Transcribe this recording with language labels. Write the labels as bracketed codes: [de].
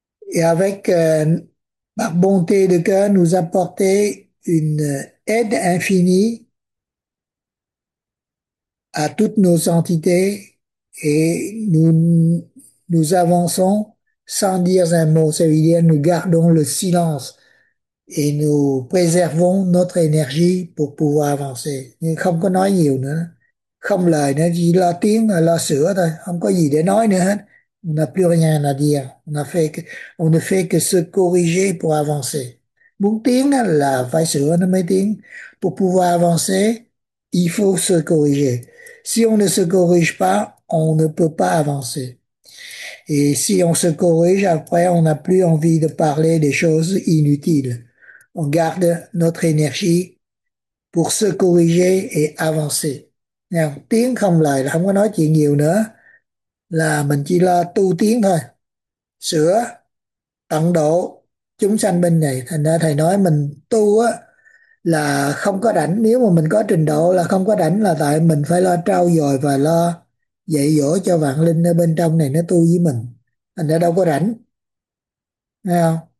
[fr] Et avec, par bonté de cœur, nous apporter une aide infinie à toutes nos entités et nous avançons sans dire un mot. Ça veut dire nous gardons le silence et nous préservons notre énergie pour pouvoir avancer. [vi] Nhưng không có nói nhiều nữa. Không lời nữa, chỉ lo tiếng, lo sửa thôi. Không có gì để nói nữa hết. [fr] On n'a plus rien à dire. On ne fait que se corriger pour avancer. [vi] Muốn tiến là phải sửa nó mới tiến. [fr] Pour pouvoir avancer, il faut se corriger. Si on ne se corrige pas, on ne peut pas avancer. Et si on se corrige, après, on n'a plus envie de parler des choses inutiles. On garde notre énergie pour se corriger et avancer. [vi] Nào, tiếng không lời là không có nói chuyện nhiều nữa. Là mình chỉ lo tu tiếng thôi. Sửa, tận độ chúng sanh bên này. Thành ra Thầy nói mình tu á là không có rảnh. Nếu mà mình có trình độ là không có rảnh là tại mình phải lo trau dồi và lo dạy dỗ cho vạn linh ở bên trong này nó tu với mình. Thành ra đâu có rảnh. Thấy không?